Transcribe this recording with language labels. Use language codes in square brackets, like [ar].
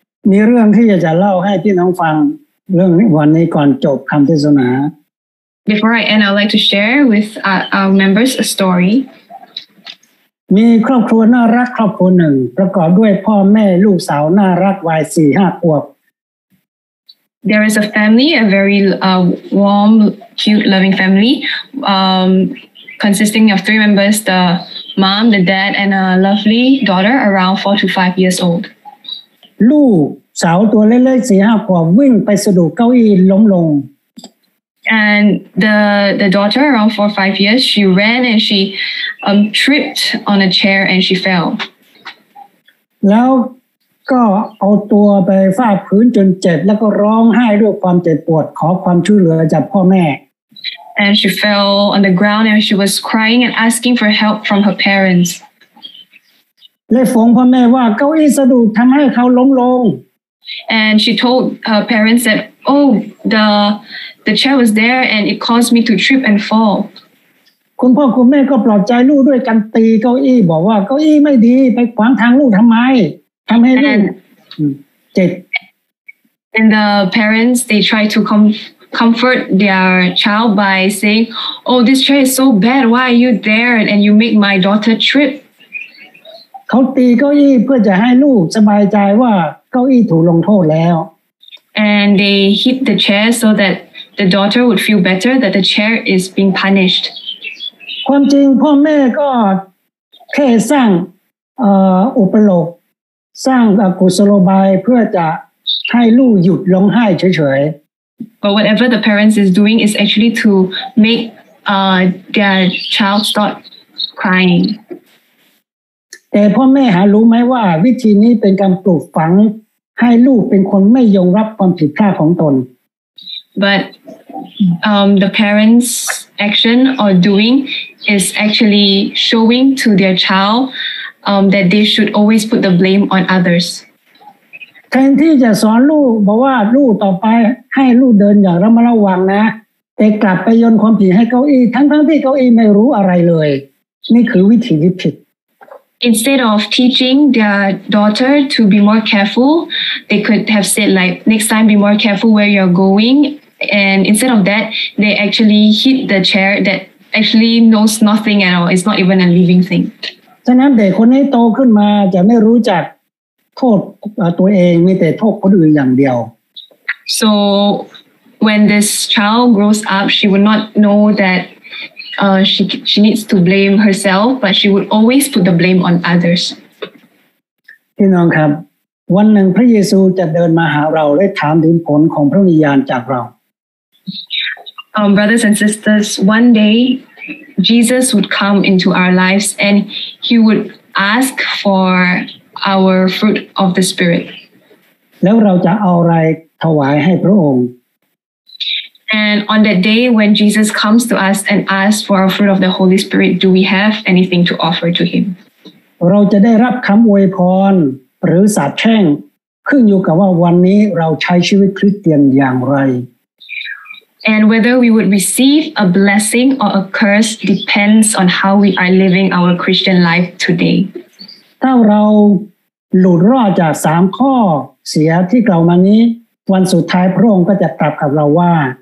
[th] มีเรื่องที่อยากจะเล่าให้พี่น้องฟังเรื่องวันนี้ก่อนจบคำเทศนา [en] Before I end, I'd like to share with our members a story. [th] มีครอบครัวน่ารักครอบครัวหนึ่งประกอบด้วยพ่อแม่ลูกสาวน่ารักวัย 4-5 ขวบ [en] There is a family, a very warm, cute, loving family, consisting of 3 members, the mom, the dad, and a lovely daughter around 4 to 5 years old. [th] ลูกสาวตัวเล็กๆ 4-5 ขวบวิ่งไปสะดุดเก้าอี้ล้มลง [en] And the daughter around 4-5 years, she ran and she tripped on a chair and she fell. [th] แล้วก็เอาตัวไปฟาดพื้นจนเจ็บแล้วก็ร้องไห้ด้วยความเจ็บปวดขอความช่วยเหลือจากพ่อแม่ [en] And she fell on the ground and she was crying and asking for help from her parents. [th] และฟงพ่อแม่ว่าเก้าอี้สะดุดทำให้เขาล้มลง [en] And she told her parents that, oh, the chair was there and it caused me to trip and fall. [th] คุณพ่อคุณแม่ก็ปลอบใจลูกด้วยการตีเก้าอี้บอกว่าเก้าอี้ไม่ดีไปขวางทางลูกทำไมทำให้ลูกเจ็บ [en] And the parents, they tried to comfort their child by saying, oh, this chair is so bad. Why are you there? And you make my daughter trip. [th] เขาตีเก้าอี้เพื่อจะให้ลูกสบายใจว่าเก้าอี้ถูกลงโทษแล้ว [en] And they hit the chair so that the daughter would feel better that the chair is being punished. [th] ความจริงพ่อแม่ก็แค่สร้างอุปโลกสร้างกุศโลบายเพื่อจะให้ลูกหยุดร้องไห้เฉย [en] ๆ But whatever the parents is doing is actually to make their child stop crying. [th] แต่พ่อแม่หารู้ไหมว่าวิธีนี้เป็นการปลูกฝังให้ลูกเป็นคนไม่ยอมรับความผิดพลาดของตน [en] But the parents' action or doing is actually showing to their child that they should always put the blame on others. [th] แทนที่จะสอนลูกบอกว่าลูกต่อไปให้ลูกเดินอย่างระมัดระวังนะแต่กลับไปโยนความผิดให้เก้าอี้ทั้งที่เก้าอี้ไม่รู้อะไรเลยนี่คือวิธีที่ผิด [en] Instead of teaching their daughter to be more careful, they could have said, like, next time be more careful where you're going. And instead of that, they actually hit the chair that actually knows nothing at all. It's not even a living thing. [th] ฉะนั้นเด็กคนนี้โตขึ้นมาจะไม่รู้จักโทษตัวเองมีแต่โทษคนอื่นอย่างเดียว [en] So when this child grows up, she would not know thatshe needs to blame herself, but she would always put the blame on others. [th] พี่น้องครับวันหนึ่งพระเยซูจะเดินมาหาเราและถามถึงผลของพระวิญญาณจากเรา [en] Brothers and sisters, one day Jesus would come into our lives and he would ask for our fruit of the Spirit. [th] แล้วเราจะเอาอะไรถวายให้พระองค์ [en] And on that day when Jesus comes to us and asks for our fruit of the Holy Spirit, do we have anything to offer to him? [th] เราจะได้รับคำอวยพรหรือสาปแช่งขึ้นอยู่กับว่าวันนี้เราใช้ชีวิตคริสเตียนอย่างไร [en] And whether we would receive a blessing or a curse depends on how we are living our Christian life today. [th] ถ้าเราหลุดรอดจาก3ข้อเสียที่กล่าวมานี้วันสุดท้ายพระองค์ก็จะตรัสกับเราว่า